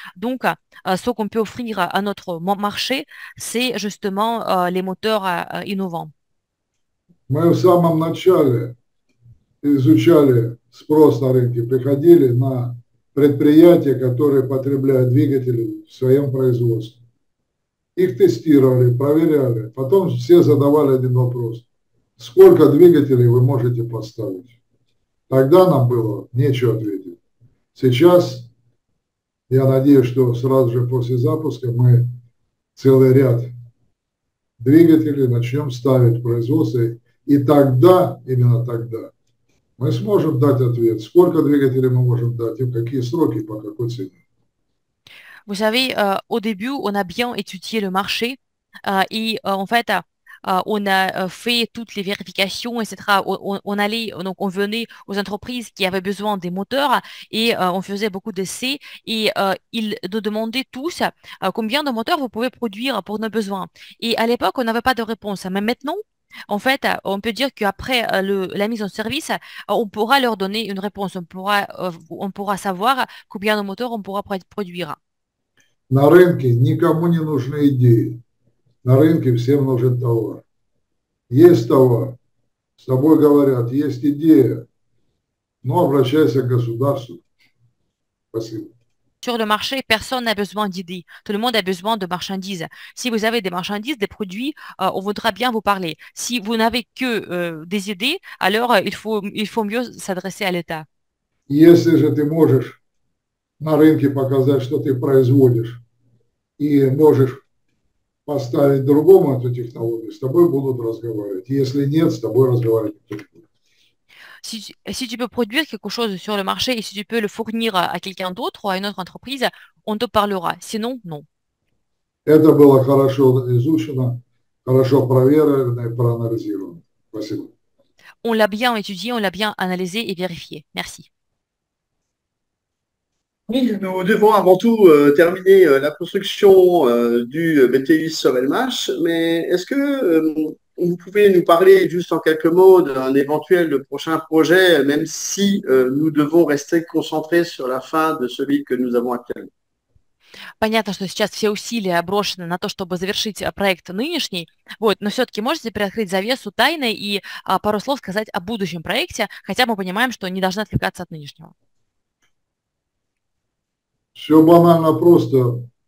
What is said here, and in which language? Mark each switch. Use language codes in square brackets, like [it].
[fr] Donc, ce qu'on peut offrir à notre marché, c'est justement les moteurs innovants. [ru] Мы в самом начале изучали спрос на рынке, приходили на предприятия, которые потребляют двигатели в своем производстве. Их тестировали, проверяли. Потом все задавали один вопрос. Сколько двигателей вы можете поставить? Тогда нам было нечего ответить. Сейчас, я надеюсь, что сразу же после запуска мы целый ряд двигателей начнем ставить в производство. И тогда, именно тогда, мы сможем дать ответ, сколько двигателей мы можем дать, и в какие сроки, по какой цене. [fr] Vous savez, au début, on a bien étudié le marché et en fait, on a fait toutes les vérifications, etc. On allait, donc on venait aux entreprises qui avaient besoin des moteurs et on faisait beaucoup d'essais et ils nous demandaient tous combien de moteurs vous pouvez produire pour nos besoins. Et à l'époque, on n'avait pas de réponse. Mais maintenant, en fait, on peut dire qu'après la mise en service, on pourra leur donner une réponse. On pourra savoir combien de moteurs on pourra produire. [ru] На рынке никому не нужны идеи. На рынке всем нужен товар. Есть товар. С тобой говорят, есть идея. Но обращайся к государству. Спасибо. [fr] Sur le marché, personne n'a besoin d'idées. Tout le monde a besoin de marchandises. Si vous avez des marchandises, des produits, on voudra bien vous parler. Si vous n'avez que des idées, alors il faut mieux s'adresser à l'État. [ru] Если же ты можешь на рынке показать, что ты производишь и можешь поставить другому эту технологию, с тобой будут разговаривать. Если нет, с тобой разговаривать не будут. [fr] Si tu peux produire quelque chose sur le marché et si tu peux le fournir à quelqu'un d'autre ou à une autre entreprise, on te parlera. Sinon, non. [ru] Это было хорошо изучено, хорошо проверено и проанализировано. Спасибо. [fr] On l'a bien étudié, on l'a bien analysé et vérifié. Merci. Oui, nous devons avant tout terminer la construction du BTU Sommelmash, mais est-ce que vous pouvez nous parler juste en quelques mots d'un éventuel prochain projet, même si nous devons rester concentrés sur la fin de celui que nous avons actuellement? [ru] Понятно, что сейчас все усилия брошены на то, чтобы завершить проект нынешний. Вот, но все-таки можете приоткрыть завесу тайны и пару слов сказать о будущем проекте, хотя мы понимаем, что не должны отвлекаться от нынешнего. Все банально просто.